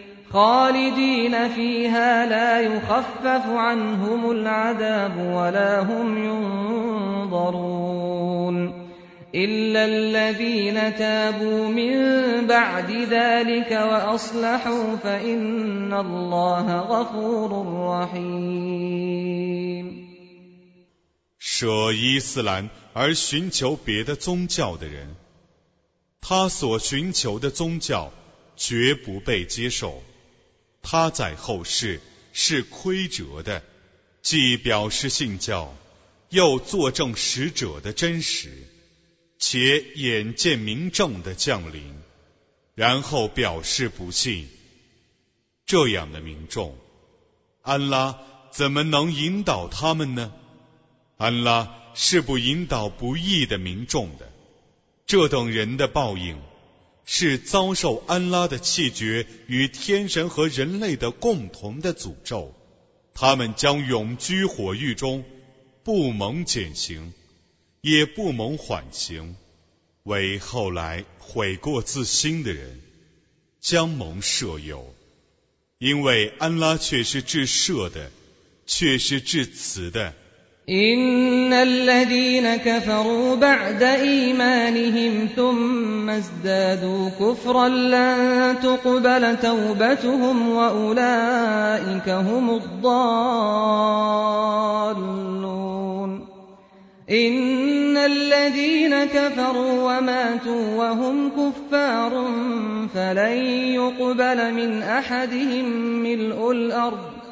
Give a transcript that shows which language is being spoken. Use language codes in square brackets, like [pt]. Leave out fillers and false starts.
[ar] خالدين فيها لا يخفف عنهم العذاب ولا هم ينظرون إلا الذين تابوا من بعد ذلك وأصلحوا فإن الله غفور رحيم [zh] 舍伊斯兰而寻求别的宗教的人他所寻求的宗教绝不被接受他在后世是亏折的既表示信教又作证使者的真实且眼见明证的降临然后表示不信这样的民众安拉怎么能引导他们呢安拉是不引导不义的民众的这等人的报应是遭受安拉的弃绝与天神和人类的共同的诅咒他们将永居火狱中不蒙减刑也不蒙缓刑为后来悔过自新的人将蒙赦宥因为安拉却是至赦的却是至慈的 [ar] إن الذين كفروا بعد إيمانهم ثم ازدادوا كفرا لن تقبل توبتهم وأولئك هم الضالون إن الذين كفروا وماتوا وهم كفار فلن يقبل من أحدهم ملء الأرض